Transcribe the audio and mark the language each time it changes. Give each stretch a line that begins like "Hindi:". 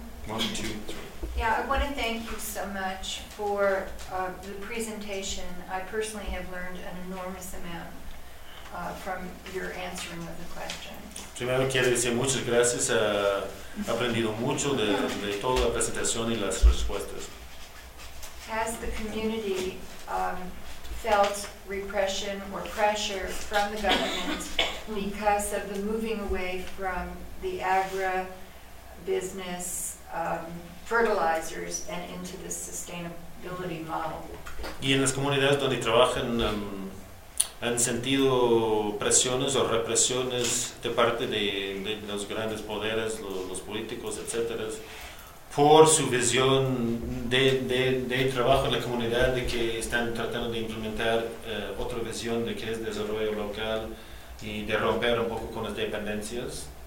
English: I want to thank you so much for the presentation. I personally have learned an enormous amount from your answering of the question.
Spanish: Primero quiero decir muchas gracias. He aprendido mucho de toda la presentación y las respuestas.
English: Has the community felt repression or pressure from the government because of the moving away from the agro business fertilizers and into the sustainability model?
Spanish: ¿Y en las comunidades donde trabajan han sentido presiones o represiones de parte de los grandes poderes, los políticos, etcétera, por su visión de trabajo en la comunidad, de que están tratando de implementar otra visión de que es desarrollo local y de romper un poco con las dependencias?